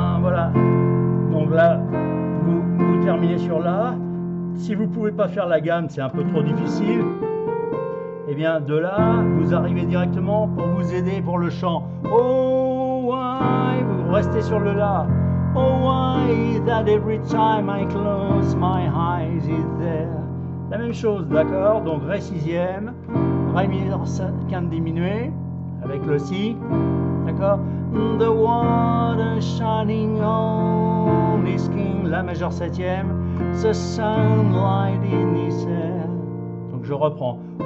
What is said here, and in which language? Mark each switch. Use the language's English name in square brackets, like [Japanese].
[French] Voilà. Donc là, vous terminez sur la. Si vous ne pouvez pas faire la gamme, c'est un peu trop difficile. Eh bien, de là, vous arrivez directement pour vous aider pour le chant. [English] Oh, why? [French] Vous restez sur le là. [English] Oh, why that every time I close my eyes is there? [French] La même chose, d'accord? Donc, ré sixième, ré mineur quinte diminuée, avec le si, d'accord? [English] The water shining on his king, [French] la majeure septième, [English] the sunlight in his hair. [French] Donc, je reprends.